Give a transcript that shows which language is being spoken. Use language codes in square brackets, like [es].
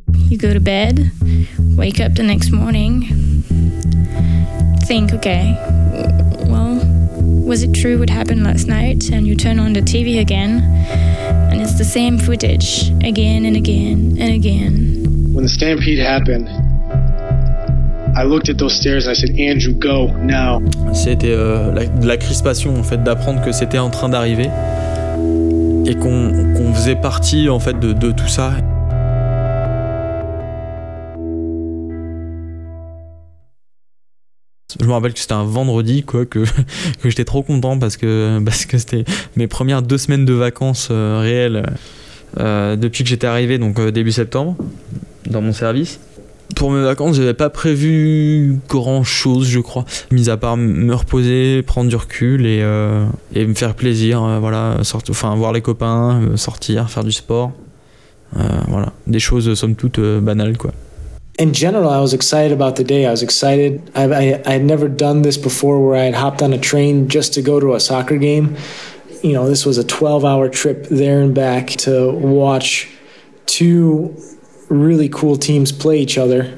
[en] You go to bed, wake up the next morning, think, okay, well, was it true what happened last night? And you turn on the TV again, and it's the same footage again and again and again. When the stampede happened, I looked at those stairs and I said, Andrew, go now. [fr] C'était la crispation, en fait, d'apprendre que c'était en train d'arriver et qu'on faisait partie, en fait, de tout ça. Je me rappelle que c'était un vendredi, quoi, que j'étais trop content parce que c'était mes premières deux semaines de vacances réelles depuis que j'étais arrivé, donc début septembre, dans mon service. Pour mes vacances, j'avais pas prévu grand-chose, je crois, mis à part me reposer, prendre du recul et me faire plaisir, voilà, voir les copains, sortir, faire du sport, voilà, des choses somme toute banales, quoi. [en] In general, I was excited about the day. I was excited. I had never done this before where I had hopped on a train just to go to a soccer game. You know, this was a 12-hour trip there and back to watch two really cool teams play each other.